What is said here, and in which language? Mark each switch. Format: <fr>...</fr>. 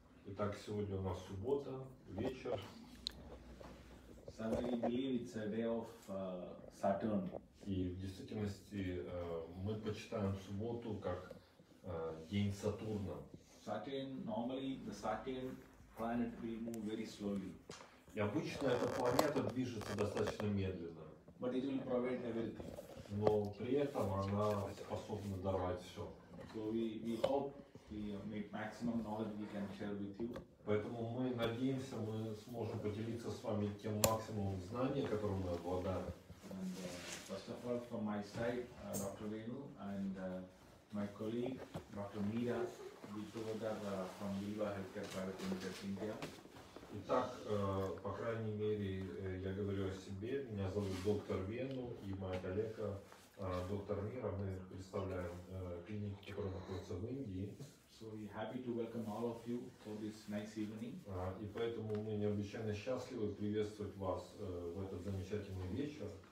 <ru>Итак, сегодня у нас суббота, вечер.</ru> <en>So we believe it's a day of Saturn.</en> <ru>И в действительности мы почитаем субботу как день Сатурна.</ru> <en>Saturn, normally the Saturn planet will move very slowly.</en> <ru>И обычно эта планета движется достаточно медленно.</ru> <en>But it will provide everything.</en> <ru>Но при этом она способна давать все.</ru> <en>So we hope. Maximum knowledge we can share with you.</en> <ru>Поэтому мы надеемся, мы сможем поделиться с вами тем максимумом знания, которым мы обладаем.</ru> <en>And, first of all, from my side, Dr. Venu and my colleague, Dr. Meera, we together from Viva Healthcare Private Limited, India.</en> <ru>Итак, по крайней мере, я говорю о себе. Меня зовут доктор Вену и моя коллега доктор Мира. Мы представляем клинику, которая находится в Индии.</ru> <en>So we're happy to welcome all of you for this nice evening.</en> <ru>И поэтому мы необычайно счастливы приветствовать вас в этот замечательный вечер.</ru>